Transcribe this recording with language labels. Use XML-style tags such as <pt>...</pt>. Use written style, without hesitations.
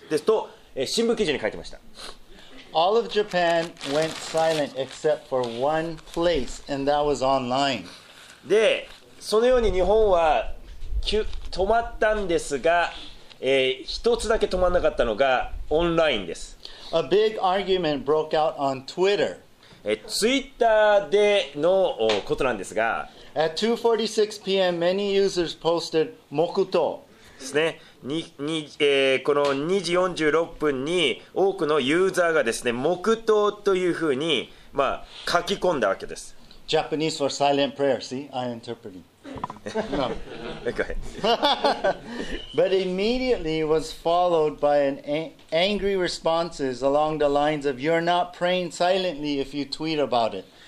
<ja>ですと、新聞記事に書いてました。</ja> <en>All of Japan went silent except for one place, and that was online.</en> <ja>で、そのように日本は止まったんですが、一つだけ止まらなかったのがオンラインです。</ja> <en>A big argument broke out on Twitter.</en> <ja>Twitter でのことなんですが、</ja> <en>At 2:46 p.m., many users posted 黙祷</en> <ja>ですね。この2時46分に多くのユーザーがですね、黙祷というふうに、書き込んだわけです。</ja> <en>Japanese for silent prayer. See, I interpreted. Go ahead. But immediately was followed by angry responses along the lines of "You're not praying silently if you tweet about it."</en>